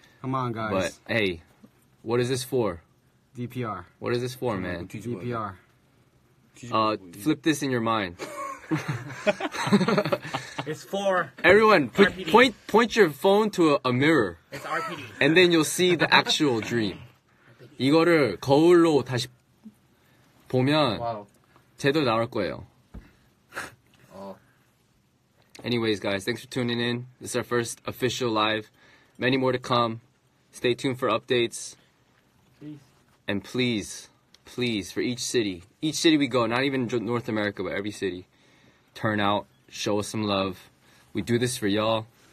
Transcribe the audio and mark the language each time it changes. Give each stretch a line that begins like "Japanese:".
English: Come on, guys. But, hey, what is this for? DPR. What is this for, man? DPR. Flip this in your mind. It's for... Everyone, point your phone to a mirror. It's RPD. And then you'll see the actual dream.
Korean: 이거를 거울로 다시 보면 제대로 나올 거예요.
English: Anyways, guys, thanks for tuning in. This is our first official live. Many more to come. Stay tuned for updates. And please, please, for each city we go, not even North America, but every city, turn out, show us some love. We do this for y'all.